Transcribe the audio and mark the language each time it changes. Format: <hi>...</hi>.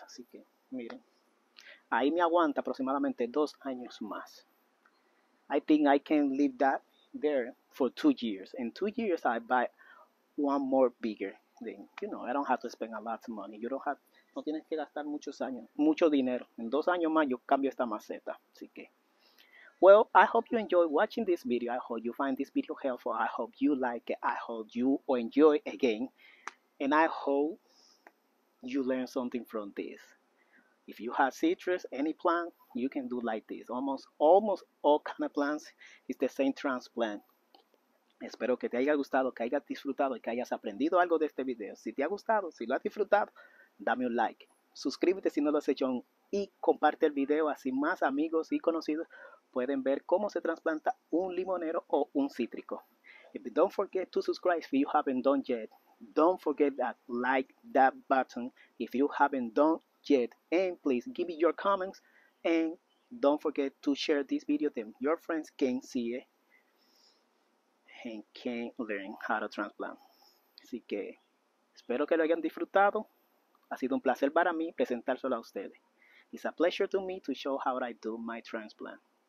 <es>Así que, miren, ahí me aguanta aproximadamente 2 años más.</es> <en>I think I can leave that there for 2 years. In 2 years, I buy one more bigger thing. You know, I don't have to spend a lot of money.</en> <es>No tienes que gastar muchos años, mucho dinero. En 2 años más, yo cambio esta maceta. Así que,</es> <en>well, I hope you enjoy watching this video. I hope you find this video helpful. I hope you like it. I hope you enjoy again. And I hope you learn something from this. If you have citrus, any plant, you can do like this. Almost all kind of plants is the same transplant.</en> <es>Espero que te haya gustado, que hayas disfrutado y que hayas aprendido algo de este video. Si te ha gustado, si lo has disfrutado, dame un like. Suscríbete si no lo has hecho y comparte el video, así más amigos y conocidos pueden ver cómo se trasplanta un limonero o un cítrico.</es> <en>If don't forget to subscribe if you haven't done yet. Don't forget that like that button if you haven't done yet. And please give me your comments. And don't forget to share this video then your friends can see it and can learn how to transplant.</en> <es>Así que espero que lo hayan disfrutado. Ha sido un placer para mí presentárselo a ustedes.</es> <en>It's a pleasure to me to show how I do my transplant.</en>